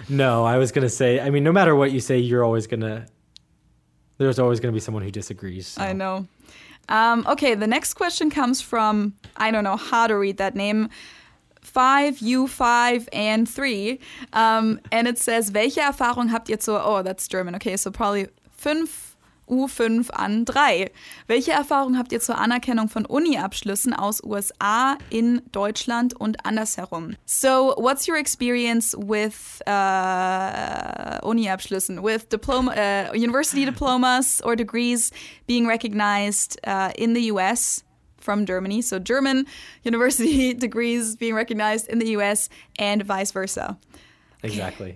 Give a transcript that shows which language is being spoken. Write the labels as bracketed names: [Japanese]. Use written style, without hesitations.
[English] No, I was going to say, I mean, no matter what you say, there's always going to be someone who disagrees. So. I know. Okay, the next question comes from, I don't know how to read that name, 5U5N3. And it says, [German] welche Erfahrung habt ihr zur, [English] oh, that's German. Okay, so probably 5 U5 an 3. [German] Welche Erfahrung habt ihr zur Anerkennung von Uni-Abschlüssen aus USA in Deutschland und andersherum? [English] So, what's your experience with Uni-Abschlüssen? With university diplomas or degrees being recognized in the US from Germany? So, German university degrees being recognized in the US and vice versa. Exactly.